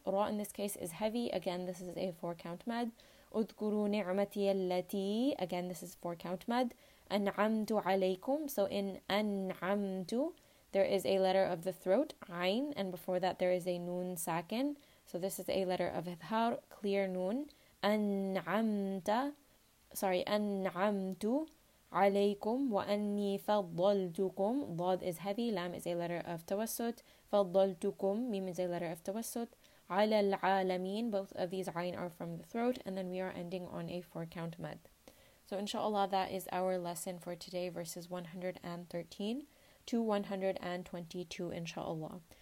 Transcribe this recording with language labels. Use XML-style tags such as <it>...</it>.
<en>راء in this case is heavy. Again, this is a four count mad.</en> <ar>اذكروا نعمتي التي.</ar> <en>Again, this is four count mad.</en> <ar>أنعمت عليكم.</ar> <en>So in أنعمت, there is a letter of the throat, عين. And before that, there is a نون ساكن. So this is a letter of إظهار, clear نون.</en> <ar>أنعمت,</ar> <en>sorry,</en> <ar>أنعمت عليكم وأني فضلتكم.</ar> <en>ضاد is heavy. Lam is a letter of توسط.</en> <ar>فضلتكم,</ar> <en>ميم is a letter of توسط.</en> <ar>على العالمين.</ar> <en>Both of these عين are from the throat. And then we are ending on a four count مد. So inshallah, that is our lesson for today, verses 113 to 122, inshallah.</en>